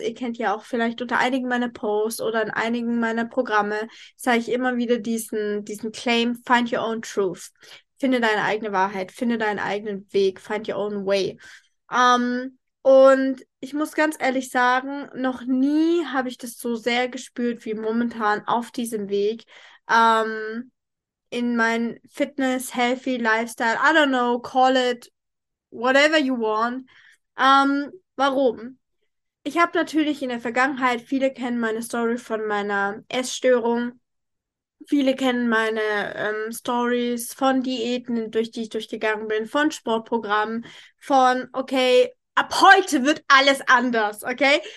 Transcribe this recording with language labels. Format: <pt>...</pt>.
<de>Ihr kennt ja auch vielleicht unter einigen meiner Posts oder in einigen meiner Programme, sage ich immer wieder diesen Claim,</de> <en>find your own truth.</en> <de>Finde deine eigene Wahrheit, finde deinen eigenen Weg,</de> <en>find your own way.</en> <de>Und ich muss ganz ehrlich sagen, noch nie habe ich das so sehr gespürt wie momentan auf diesem Weg. In mein</de> <en>Fitness, Healthy, Lifestyle, I don't know, call it whatever you want.</en> <de>Warum? Ich habe natürlich in der Vergangenheit, viele kennen meine Story von meiner Essstörung, viele kennen meine Stories von Diäten, durch die ich durchgegangen bin, von Sportprogrammen, von, okay, ab heute wird alles anders, okay?</de>